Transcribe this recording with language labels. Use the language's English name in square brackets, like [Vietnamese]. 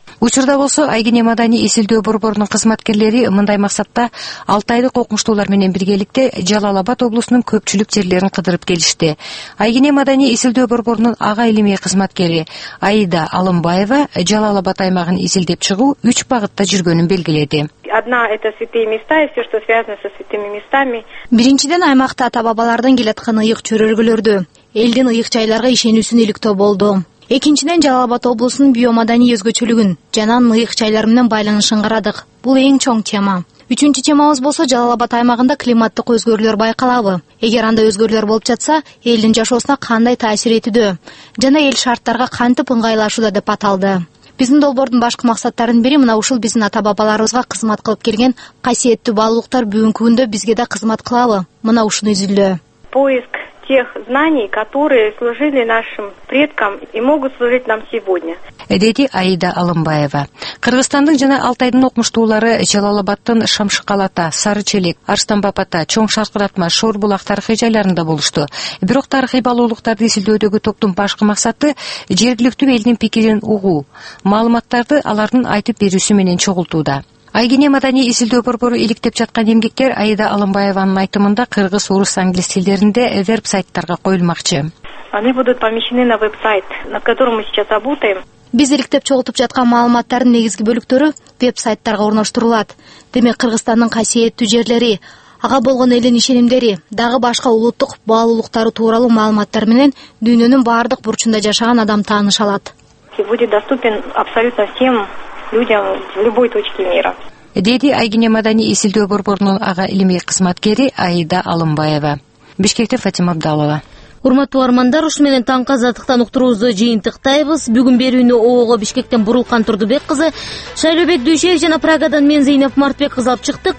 [Kyrgyz] Учурда болсо Айгине маданий изилдөө борборунун кызматкерлери мындай максатта алтайлык окумуштуулар менен биргеликте Жалал Абад облусунун көпчүлүк жерлерин кыдырып келишти. Айгине маданий изилдөө борборунун ага илимий кызматкери Аида Алымбаева Жалал Абад аймагын изилдеп чыгуу 3 багытта жүргөнүн белгиледи. [Russian] Одна это святые места и все, что связано со святыми местами. [Kyrgyz] Биринчиден аймакта ата бабалардын келаткан ыйык чөйрөлгөлөрдү, элдин ыйык жайларга ишенүүсүн иликтөө болду. Экинчиден Жалал Абад облусунун биомаданий өзгөчөлүгүн жана ыйык жайлар менен байланышын карадык. Бул эң чоң тема. Үчүнчү темабыз болсо Жалал Абад аймагында климаттык өзгөрүүлөр байкалабы? Эгер андай өзгөрүүлөр болуп жатса, элдин жашоосуна кандай таасир этүүдө жана эл шарттарга кантип ыңгайлашууда деп аталды. Биздин долбоордун башкы максаттарынын бири мына ушул биздин ата бабаларыбызга кызмат кылып келген касиеттүү баалуулуктар бүгүнкү күндө бизге да кызмат кылабы? Мына ушуну изилдөө. [Russian] Поиск тех знаний, которые служили нашим предкам и могут служить нам сегодня. [Kyrgyz] Деди Аида Алымбаева. Кыргызстандын жана Алтайдын окумуштуулары Жалал-Абаддын Шамшыкалата, Сарычелек, Арстанбаб ата, Чоң Шаркыратма, Шорбулак тарыхый жайларында болушту. Бирок тарыхый баалуулуктарды изилдөөдөгү топтун башкы максаты жергиликтүү элдин пикирин угуу, маалыматтарды алардын айтып берүүсү менен чогултууда. Айгине маданий изилдөө борбору иликтеп жаткан эмгектер Аида Алымбаеванын айтымында кыргыз, орус, англис тилдеринде вебсайттарга коюлмакчы. [Russian] Они будут помещены на веб-сайт, на котором мы сейчас работаем. [Kyrgyz] Биз иликтеп чогултуп жаткан маалыматтардын негизги бөлүктөрү веб-сайттарга орноштурулат. Демек Кыргызстандын касиеттүү жерлери, ага болгон элдин ишенимдери, дагы башка улуттук баалуулуктары тууралуу маалыматтар менен дүйнөнүн баардык бурчунда жашаган адам тааныша алат. [Russian] Будет доступен абсолютно всем людям в любой точке мира. [Kyrgyz] Деди Айгине маданий изилдөө борборунун ага илимий кызматкери Аида Алымбаева. Бишкектен Фатима Абдалова. Урматтуу армандар, ушу менен таңкы азаттыктан уктуруубузду жыйынтыктайбыз. Бүгүн берүүнү ООО Бишкектен Бурулкан Турдубек кызы, Шайлообек Дүйшөев жана Прагадан мен Зейнеп Мартбек кызы алып чыктык.